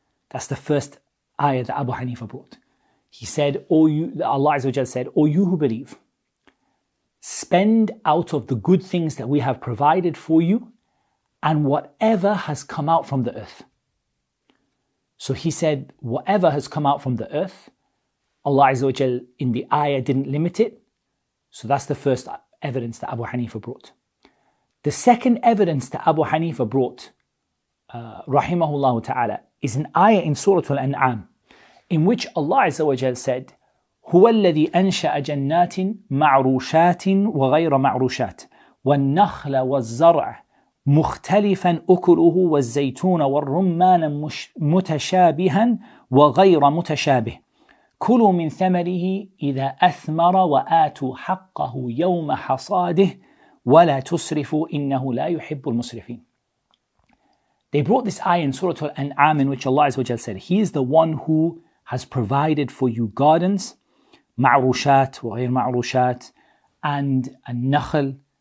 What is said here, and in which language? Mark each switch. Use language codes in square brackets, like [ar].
[en] That's the first ayah that Abu Hanifa brought. He said, Allah Azza wa Jalla said, O you who believe, spend out of the good things that we have provided for you and whatever has come out from the earth. So he said, whatever has come out from the earth, Allah Azza wa Jalla in the ayah didn't limit it. So that's the first evidence that Abu Hanifa brought. The second evidence that Abu Hanifa brought, rahimahullah ta'ala, is an ayah in Surah Al-An'am, in which Allah Azza wa Jalla said, [ar] هو الذي أنشأ جنات معروشات وغير معروشات والنخل والزرع مختلفا أكله والزيتون والرمان متشابها وغير متشابه كلوا من ثمره إذا أثمر وآتوا حقه يوم حصاده ولا تسرفوا إنه لا يحب المسرفين. [en] They brought this ayah in Surah Al-An'am in which Allah Azza wa Jal said, He is the one who has provided for you gardens, [ar] ma'rushat wa ghayr ma'rushat, [en] and an-nakhl.